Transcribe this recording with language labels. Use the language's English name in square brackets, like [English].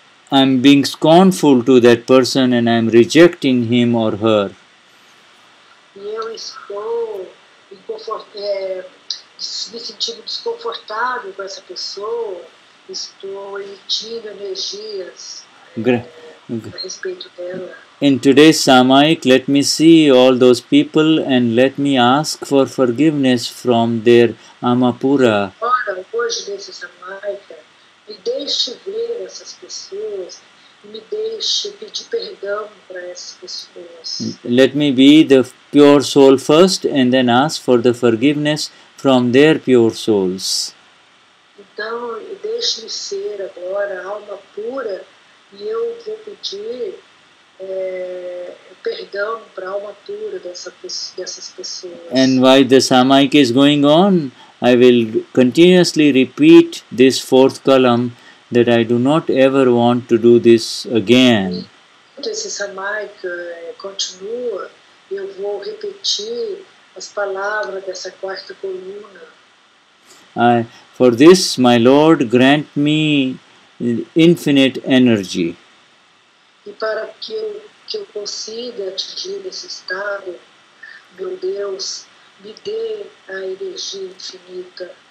[English] I'm being scornful to that person, and I'm rejecting him or her. [Portuguese] Eu estou me sentindo desconfortável com essa pessoa, estou emitindo energias a respeito dela. [English] In today's samayik, let me see all those people and let me ask for forgiveness from their amapura. [Portuguese] Ora, hoje nesse samayik, me deixe ver essas pessoas, me deixe pedir perdão para essas pessoas. [English] Let me be the pure soul first and then ask for the forgiveness from their pure souls. [Portuguese] Então, deixe-me ser agora alma pura e eu vou pedir perdão para a alma pura dessas pessoas. [English] And while the samayik is going on, I will continuously repeat this fourth column, that I do not ever want to do this again. [Portuguese] Enquanto esse samayik continua, eu vou repetir as palavras dessa quarta coluna. [English] For this, my Lord, grant me infinite energy. [Portuguese] E para que eu consiga atingir esse estado, meu Deus, me dê a energia infinita.